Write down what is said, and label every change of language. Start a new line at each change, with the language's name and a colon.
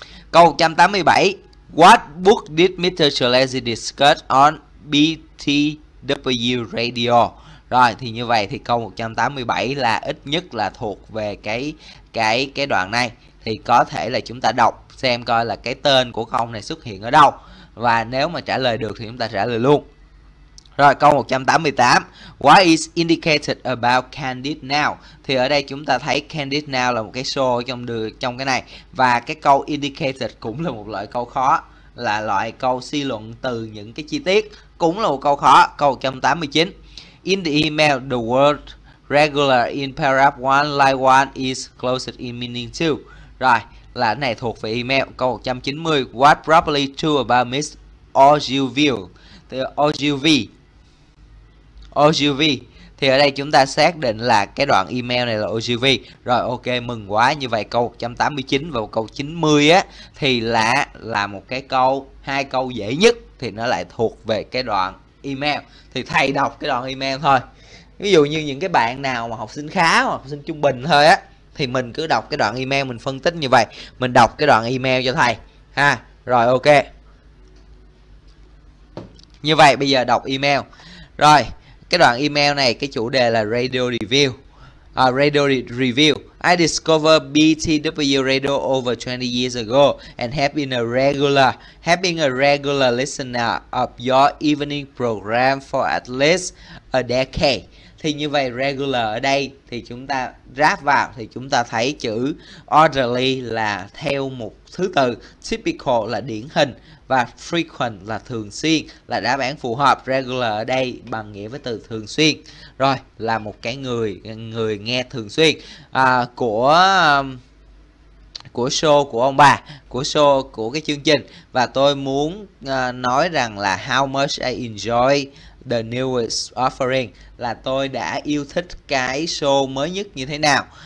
English: Câu 187, what book did Mr. Chalazi discuss on BTW radio?
Vietnamese: Rồi thì như vậy thì câu 187 là ít nhất là thuộc về cái đoạn này, thì có thể là chúng ta đọc xem coi là cái tên của câu này xuất hiện ở đâu, và nếu mà trả lời được thì chúng ta trả lời luôn.
English: Rồi câu 188, what is indicated about Candid Now?
Vietnamese: Thì ở đây chúng ta thấy Candid Now là một cái show trong trong cái này, và cái câu indicated cũng là một loại câu khó, là loại câu suy luận từ những cái chi tiết, cũng là một câu khó.
English: Câu 189, in the email, the word regular in paragraph 1, line 1 is closed in meaning 2.
Vietnamese: Rồi, là cái này thuộc về email. Câu 190,
English: what probably true about Miss Ogilvy?
Vietnamese: Thì Ogilvy. Ogilvy. Thì ở đây chúng ta xác định là cái đoạn email này là Ogilvy. Rồi, ok, mừng quá. Như vậy câu 189 và câu 90 á thì là một cái câu, hai câu dễ nhất thì nó lại thuộc về cái đoạn email, thì thầy đọc cái đoạn email thôi. Ví dụ như những cái bạn nào mà học sinh khá hoặc học sinh trung bình thôi á thì mình cứ đọc cái đoạn email, mình phân tích như vậy, mình đọc cái đoạn email cho thầy ha. Rồi ok, như vậy bây giờ đọc email. Rồi cái đoạn email này cái chủ đề là radio review, review.
English: I discovered BTW radio over 20 years ago and have been a regular listener of your evening program for at least a decade.
Vietnamese: Thì như vậy regular ở đây thì chúng ta ráp vào thì chúng ta thấy chữ orderly là theo một thứ tự, typical là điển hình và frequent là thường xuyên, là đáp án phù hợp. Regular ở đây bằng nghĩa với từ thường xuyên. Rồi, là một cái người người nghe thường xuyên của show của ông bà, của show của cái chương trình, và tôi muốn nói rằng là
English: how much I enjoy the newest offering,
Vietnamese: là tôi đã yêu thích cái show mới nhất như thế nào.